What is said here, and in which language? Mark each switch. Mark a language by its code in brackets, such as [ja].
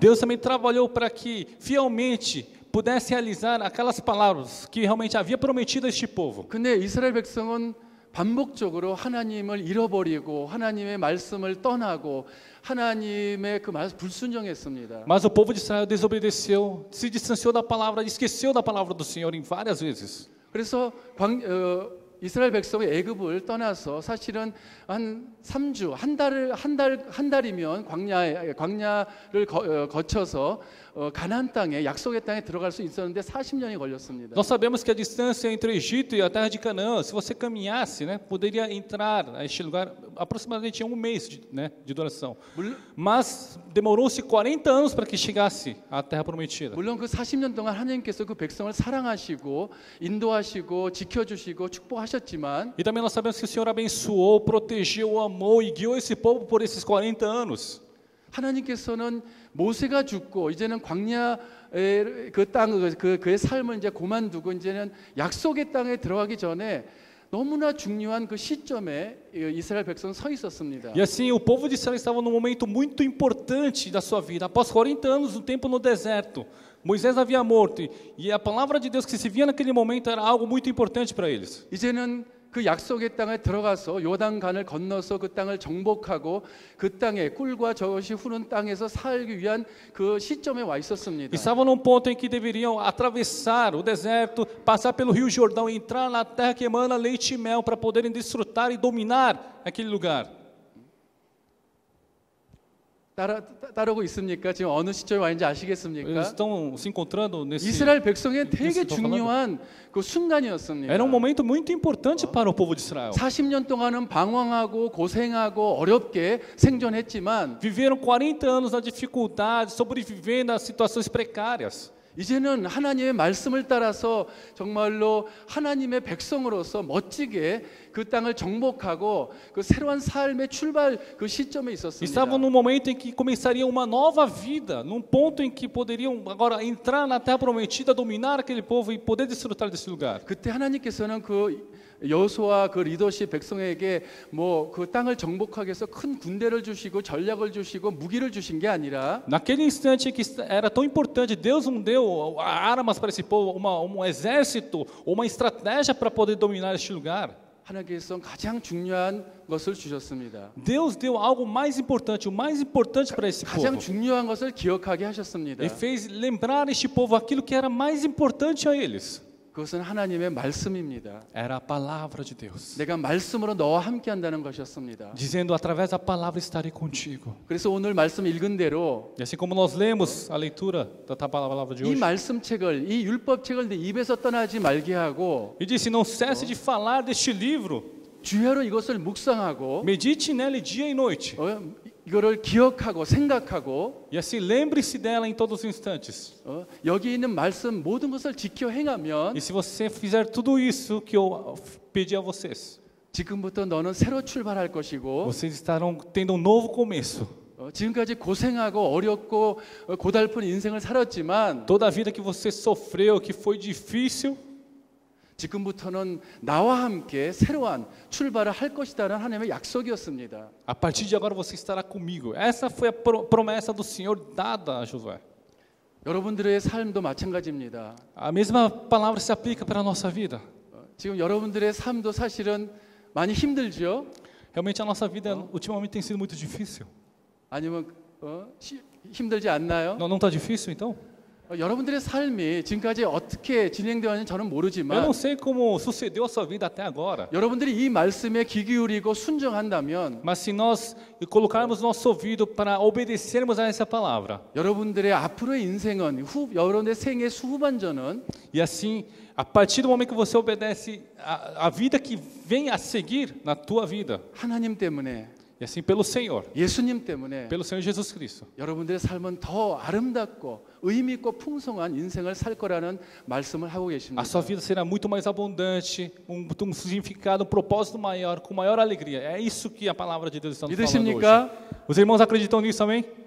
[pt] Deus também trabalhou para que fielmente pudesse realizar aquelas palavras que realmente havia prometido a este povo. [ko] 근데 이스라엘 백성은 반복적으로 하나님을 잃어버리고 하나님의 말씀을 떠나고 하나님의 그 말씀 불순종했습니다. [pt] Mas o povo de Israel desobedeceu, se distanciou da palavra, esqueceu da palavra do Senhor em várias vezes. [ko] 그래서 이스라엘 백성이 애굽을 떠나서 사실은 한 3주, 한 달이면 광야를 거쳐서 가나안 땅에 약속의 땅에 들어갈 수 있었는데 40년이 걸렸습니다. [pt] Nós sabemos que a distância entre o Egito e a terra de Canaã, se você caminhasse, né, poderia entrar a este lugar aproximadamente um mês de, né, de duração. Mas demorou-se 40 anos para que chegasse à terra prometida. [ko] 물론 그 40년 동안 하나님께서 그 백성을 사랑하시고 인도하시고 지켜 주시고 축복하셨지만 [pt] E também nós sabemos que o Senhor abençoou, protegeu, amou e guiou esse povo por esses 40 anos. [ko] 하나님께서는 모세가 죽고 이제는 광야 그 땅, 그의 삶을 이제 그만두고 이제는 약속의 땅에 들어가기 전에 너무나 중요한 그 시점에 이스라엘 백성 서 있었습니다. [pt] E assim o povo de Israel estava num momento muito importante da sua vida. Após 40 anos, um tempo no deserto. Moisés havia morto e a palavra de Deus que se via naquele momento era algo muito importante para eles. [ko] 이제는 그 약속의 땅에 들어가서 요단강을 건너서 그 땅을 정복하고 그 땅에 꿀과 젖이 흐르는 땅에서 살기 위한 그 시점에 와 있었습니다. [pt] Estavam num ponto em que deveriam atravessar o deserto, passar pelo rio Jordão e entrar na terra que emana leite e mel para poderem desfrutar e dominar aquele lugar. [ko] 따르고 있습니까? 지금 어느 시점에 와 있는지 아시겠습니까? [pt] Estão se encontrando nesse [ko] 이스라엘 백성의 되게 중요한 그 순간이었습니다. [pt] Era um momento muito importante para o povo de Israel. [ko] 40년 동안은 방황하고 고생하고 어렵게 생존했지만 [pt] viveram 40 anos na dificuldade, sobrevivendo a situações precárias. [ko] 이제는 하나님의 말씀을 따라서 정말로 하나님의 백성으로서 멋지게 그 땅을 정복하고 그 새로운 삶의 출발 그 시점에 있었습니다. [pt] Estavam num momento em que começaria uma nova vida, num ponto em que poderiam agora entrar na terra prometida, dominar aquele povo e poder desfrutar desse lugar. [ko] 그때 하나님께서는 그 여호수아 그 리더십 백성에게 뭐 그 땅을 정복하기 위해서 큰 군대를 주시고 전략을 주시고 무기를 주신 게 아니라 [pt] Naquele instante que era tão importante, Deus não deu armas para esse povo, um exército, uma estratégia para poder dominar este lugar. [ko] 하나님께서 가장 중요한 것을 주셨습니다. [pt] Deus deu algo mais importante, o mais importante para esse [ko] 가장 [pt] povo. [ko] 가장 중요한 것을 기억하게 하셨습니다. [pt] E fez lembrar este povo aquilo que era mais importante a eles. [ko] 그것은 하나님의 말씀입니다. [pt] Era a palavra de Deus. [ko] 내가 말씀으로 너와 함께한다는 것이었습니다. [pt] Dizendo através da palavra estarei contigo. [ko] 그래서 오늘 말씀 읽은 대로 [pt] E assim como nós lemos a leitura da palavra de hoje. [ko] 이 말씀 책을 이 율법 책을 내 입에서 떠나지 말게 하고 [pt] E disse não cesse de falar deste livro. [ko] 주야로 이것을 묵상하고 [pt] Medite nele dia e noite. [ko] 이거를 기억하고 생각하고 [pt] E assim lembre-se dela em todos os instantes. [ko] 여기 있는 말씀 모든 것을 지켜 행하면 [pt] E se você fizer tudo isso que eu pedi a vocês. [ko] 지금부터 너는 새로 출발할 것이고 [pt] Vocês estarão tendo um novo começo. [ko] 지금까지 고생하고 어렵고 고달픈 인생을 살았지만 [pt] Toda a vida que você sofreu, que foi difícil [ko] 지금부터는 나와 함께 새로운 출발을 할 것이다라는 하나님의 약속이었습니다. [pt] A partir de agora você estará comigo. Essa foi a promessa do Senhor dada a Josué. [ko] 여러분들의 삶도 마찬가지입니다. [pt] A mesma palavra se aplica para a nossa vida. [ko] 지금 여러분들의 삶도 사실은 많이 힘들죠? [pt] Realmente a nossa vida ultimamente tem sido muito difícil. [ko] 아니면 힘들지 않나요? [pt] Não está difícil então? [ko] 여러분들의 삶이 지금까지 어떻게 진행되었는지 저는 모르지만 [pt] Eu não sei como sucedeu a sua vida até agora. [ko] 여러분들이 이 말씀에 귀 기울이고 순종한다면 [pt] Mas se nós colocarmos nosso ouvido para obedecermos a essa palavra. [ko] 여러분들의 앞으로의 인생은 여러분의 생애 후반전은 [pt] E assim, a partir do momento que você obedece a vida que vem a seguir na tua vida. [ko] 하나님 때문에 [pt] E assim pelo Senhor. [ko] 예수님 때문에 [pt] pelo Senhor Jesus Cristo. [ko] 여러분들의 삶은 더 아름답고 의미 있고 풍성한 인생을 살 거라는 말씀을 하고 계십니다. [pt] A sua vida será muito mais abundante, um significado, um propósito maior, com maior alegria. É isso que a palavra de Deus está falando hoje. Os irmãos acreditam nisso, amém?